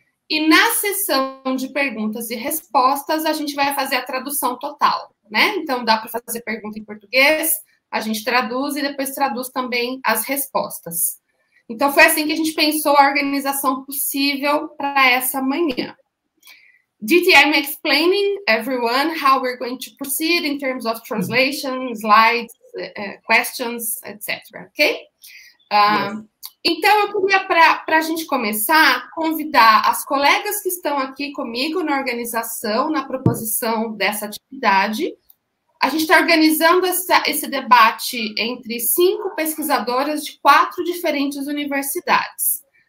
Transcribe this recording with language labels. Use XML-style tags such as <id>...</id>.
<pt>E na sessão de perguntas e respostas, a gente vai fazer a tradução total, né? Então, dá para fazer pergunta em português, a gente traduz e depois traduz também as respostas. Então, foi assim que a gente pensou a organização possível para essa manhã.</pt> <en>Diti, I'm explaining everyone how we're going to proceed in terms of translation, slides, questions, etc. Ok? Yes.</en> <pt>Então, eu queria, para a gente começar, convidar as colegas que estão aqui comigo na organização, na proposição dessa atividade. A gente está organizando esse debate entre cinco pesquisadoras de quatro diferentes universidades.</pt>